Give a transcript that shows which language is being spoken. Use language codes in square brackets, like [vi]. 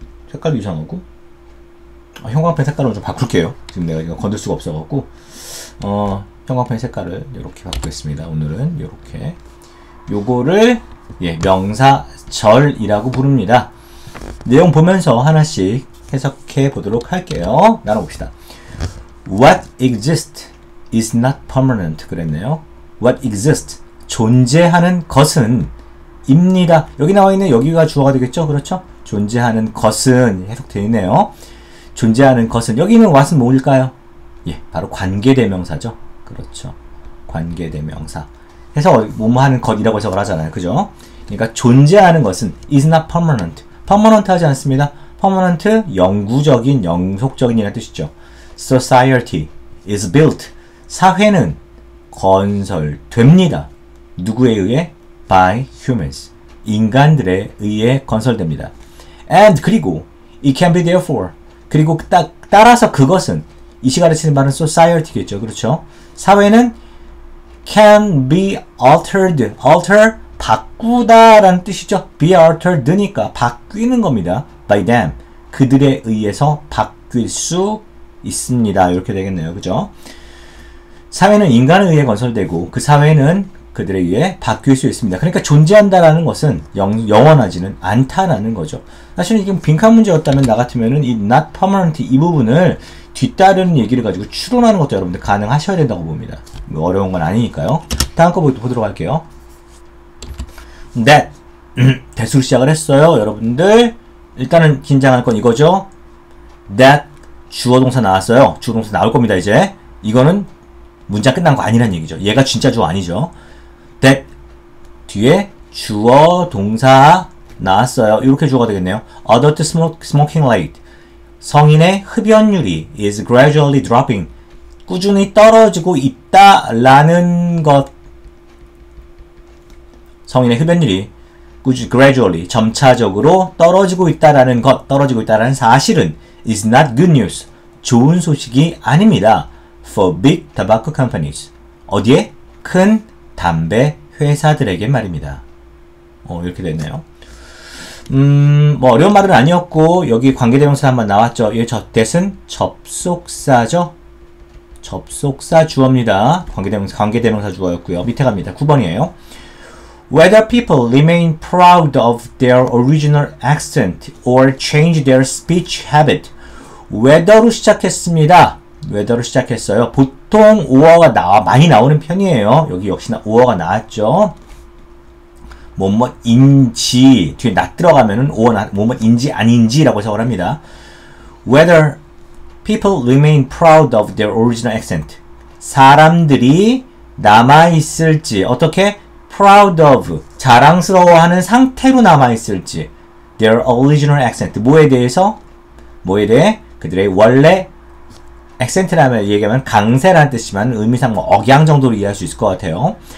[ko] 색깔도 이상하고. 형광펜 색깔을 좀 바꿀게요. 지금 내가 이거 건들 수가 없어갖고. 형광펜 색깔을 이렇게 바꾸겠습니다. 오늘은 이렇게. 요거를 예, 명사절이라고 부릅니다. 내용 보면서 하나씩 해석해 보도록 할게요. 나눠봅시다. [en] What exists is not permanent. [ko] 그랬네요. [en] What exists? [ko] 존재하는 것은 입니다. 여기 나와 있는 여기가 주어가 되겠죠? 그렇죠? 존재하는 것은 해석되어 있네요. 존재하는 것은 여기 있는 what은 뭘까요? 예, 바로 관계대명사죠. 그렇죠. 관계대명사. 해서 뭐뭐 하는 것이라고 해석을 하잖아요. 그죠? 그러니까 존재하는 것은 [en] is not permanent. [ko] permanent 하지 않습니다. permanent 영구적인, 영속적인이라는 뜻이죠. [en] society is built. [ko] 사회는 건설됩니다. 누구에 의해? [en] by humans. [ko] 인간들에 의해 건설됩니다. [en] and [ko] 그리고 [en] it can be therefore. [ko] 그리고 따라서 그것은 이 시간에 쓰는 말은 society겠죠. 그렇죠? 사회는 [en] can be altered. [ko] alter 바꾸다라는 뜻이죠. be altered니까 바뀌는 겁니다. [en] by them. [ko] 그들에 의해서 바뀔 수 있습니다. 이렇게 되겠네요. 그죠? 사회는 인간에 의해 건설되고 그 사회는 그들에 의해 바뀔 수 있습니다. 그러니까 존재한다라는 것은 영원하지는 않다라는 거죠. 사실 이게 빈칸 문제였다면 나 같으면은 이 not permanent 이 부분을 뒤따르는 얘기를 가지고 추론하는 것도 여러분들 가능하셔야 된다고 봅니다. 뭐 어려운 건 아니니까요. 다음 거 보도록 할게요. That. 대수로 시작을 했어요. 여러분들 일단은 긴장할 건 이거죠. That 주어동사 나왔어요. 주어동사 나올 겁니다. 이제 이거는 문장 끝난 거 아니란 얘기죠. 얘가 진짜 주어 아니죠. That 뒤에 주어동사 나왔어요. 이렇게 주어가 되겠네요. [en] Adult smoking rate. [ko] 성인의 흡연율이 [en] is gradually dropping. [ko] 꾸준히 떨어지고 있다 라는 것. 성인의 흡연율이 gradually, 점차적으로 떨어지고 있다라는 것, 떨어지고 있다라는 사실은 [en] is not good news. [ko] 좋은 소식이 아닙니다. [en] For big tobacco companies. [ko] 어디에? 큰 담배 회사들에게 말입니다. 이렇게 됐네요. 뭐 어려운 말은 아니었고 여기 관계대명사 한번 나왔죠. 이 that은 접속사죠. 접속사 주어입니다. 관계대명사 주어였고요. 밑에 갑니다. 9번이에요. [en] Whether people remain proud of their original accent or change their speech habit. [ko] Whether로 시작했습니다. Whether로 시작했어요. 보통 or가 많이 나오는 편이에요. 여기 역시나 or가 나왔죠. 뭐뭐 인지 뒤에 not 들어가면은 or 뭐뭐 인지 아닌지라고 해석을 합니다. [en] Whether people remain proud of their original accent. [ko] 사람들이 남아 있을지 어떻게? proud of, 자랑스러워하는 상태로 남아있을지 [en] their original accent, [ko] 뭐에 대해 그들의 원래 accent라면 얘기하면 강세라는 뜻이지만 의미상 뭐 억양 정도로 이해할 수 있을 것 같아요.